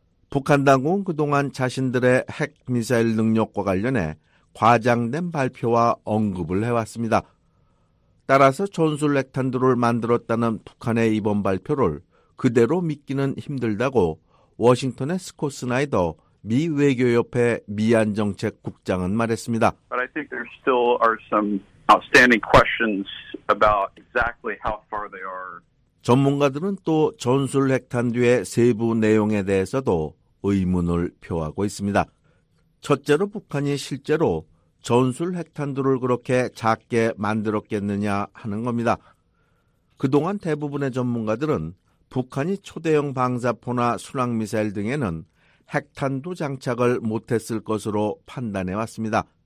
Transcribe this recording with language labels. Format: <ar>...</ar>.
<ko>북한 당국은 그동안 자신들의 핵미사일 능력과 관련해 과장된 발표와 언급을 해왔습니다. 따라서 전술 핵탄두를 만들었다는 북한의 이번 발표를 그대로 믿기는 힘들다고 워싱턴의 스콧 스나이더 미 외교협회 미안정책 국장은 말했습니다.</ko> <en>But I think there still are some outstanding questions about exactly how far they are.</en> <ko>전문가들은 또 전술 핵탄두의 세부 내용에 대해서도 의문을 표하고 있습니다. 첫째로 북한이 실제로 전술 핵탄두를 그렇게 작게 만들었겠느냐 하는 겁니다. 그동안 대부분의 전문가들은 북한이 초대형 방사포나 순항미사일 등에는 핵탄두 장착을 못했을 것으로 판단해왔습니다.</ko>